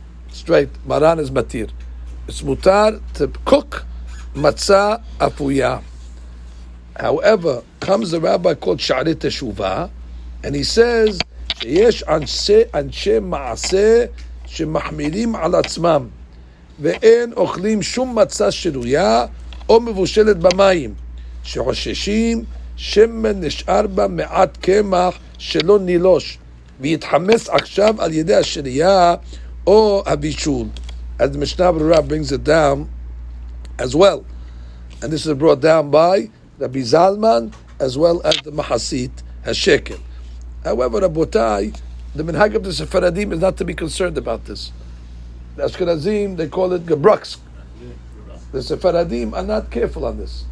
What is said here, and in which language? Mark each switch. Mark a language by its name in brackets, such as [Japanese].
[English] Straight, Maran is Matir. It's Mutar to cook Matzah Afuya. However, comes a rabbi called Sha'ari Teshuvah, and he says, [Hebrew] Yesh Anshe Ma'aseh Shemahmirim Al Atzmam. ואין אוכלים שום מצה שרויה או מבושלת במים שחוששים שמן נשאר בה מעט קמח שלא נילוש ויתחמס עכשיו על ידי השרייה או הבישול. [English] אז משנה ברורה brings it down as well, and this is brought down by Rabbi Zalman as well as the Mahasit Hashekel. However, Rabotai, the minhag of the Sephardim is not to be concerned about this. The Ashkenazim, they call it Gebruchs. The Sephardim are not careful on this.